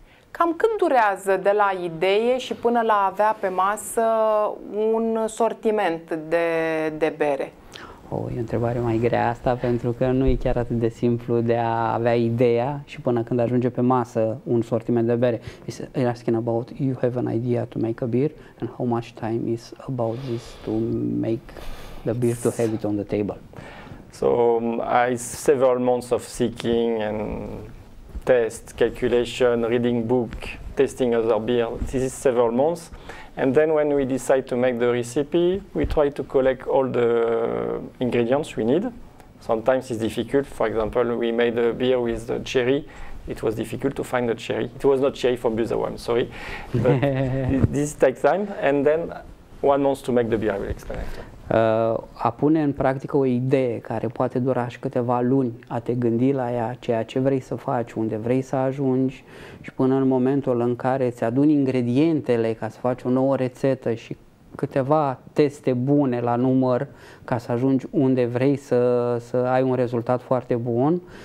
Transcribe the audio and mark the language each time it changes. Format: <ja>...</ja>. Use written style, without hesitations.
<ro>Cam cât durează de la idee și până la avea pe masă un sortiment de bere? E o întrebare mai grea asta, pentru că nu e chiar atât de simplu de a avea ideea și până când ajunge pe masă un sortiment de bere.</ro> <en>You're asking about, you have an idea to make a beer and how much time is about this to make the beer to have it on the table? So I several months of seeking and... test, calculation, reading book, testing other beer. This is several months. And then when we decide to make the recipe, we try to collect all the ingredients we need. Sometimes it's difficult. For example, we made a beer with the cherry. It was difficult to find the cherry. It was not cherry from Buzău, I'm sorry. But this takes time. And then 1 month to make the beer, I will explain it.</en> <ro>A pune în practică o idee care poate dura și câteva luni a te gândi la ea, ceea ce vrei să faci, unde vrei să ajungi și până în momentul în care îți aduni ingredientele ca să faci o nouă rețetă și câteva teste bune la număr ca să ajungi unde vrei să ai un rezultat foarte bun.</ro>